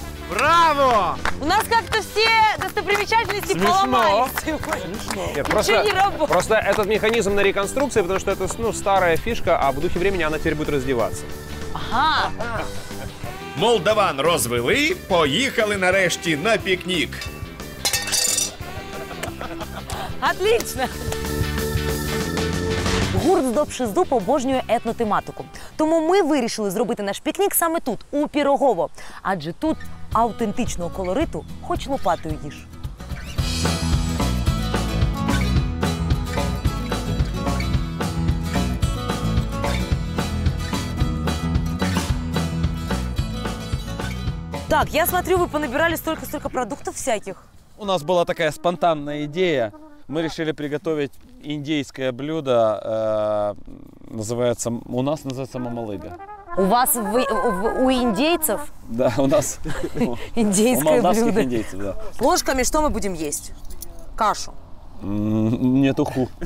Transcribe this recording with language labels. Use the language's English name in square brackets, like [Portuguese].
[Russian] Браво! У нас как-то все достопримечательности смешно. Поломались. Нет, просто, ничего не работает. Просто этот механизм на реконструкции, потому что это, ну, старая фишка, а в духе времени она теперь будет раздеваться. Ага. [Ukrainian] Молдаван розвели, поїхали нарешті на пікнік. [Russian] Отлично! [Ukrainian] Гурт «Здобши здуб» обожнює етнотематику. Тому ми вирішили зробити наш пікнік саме тут, у Пірогово. Адже тут автентичного колориту хоч лопатою їж. [Russian] Так, я смотрю, ви понабирали столько-столько [Ukrainian] продуктів всяких. У нас була така спонтанна ідея. [Russian] Мы решили приготовить индейское блюдо, называется, у нас называется мамалыга. У вас, у индейцев? Да, у нас. Индейское блюдо. У молдавских индейцев, да. Ложками что мы будем есть? Кашу? Нет, уху.